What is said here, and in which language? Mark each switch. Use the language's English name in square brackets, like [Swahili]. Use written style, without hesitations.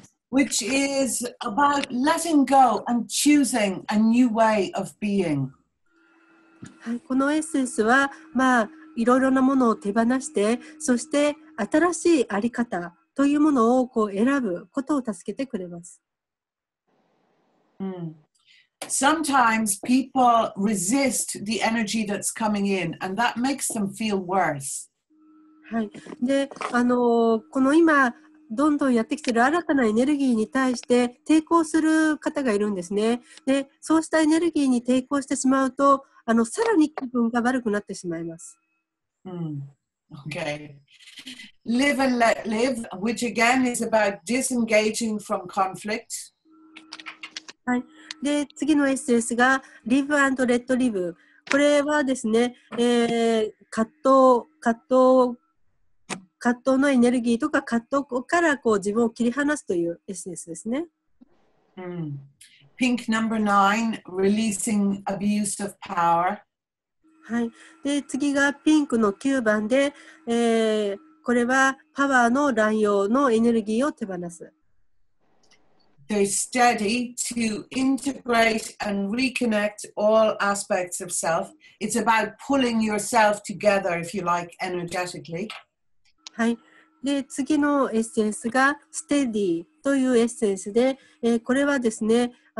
[English] Which is about letting go and choosing a new way of being.、 [Japanese] はい、このエッセンスは、まあ、いろいろなものを手放して、そして新しいあり方というものをこう選ぶことを助けてくれます。 [English] Sometimes people resist the energy that's coming in, and that makes them feel worse. [Japanese] はい、でこの今どんどんやってきている新たなエネルギーに対して抵抗する方がいるんですね。でそうしたエネルギーに抵抗してしまうと、さらに気分が悪くなってしまいます。 [English] Okay. Live and let live, which again is about disengaging from conflict.、 [Japanese] はい、で次のエッセンスが Live and let live。これはですね、葛藤のエネルギーとか葛藤からこう自分を切り離すというエッセンスですね。 [English] Pink number nine, releasing abuse of power. [Japanese] はい。で次がピンクの9番で、これはパワーの乱用のエネルギーを手放す。 [English] They're steady to integrate and reconnect all aspects of self. It's about pulling yourself together, if you like, energetically. [Japanese] はい、で次のエッセンスがステディというエッセンスで、これはですね、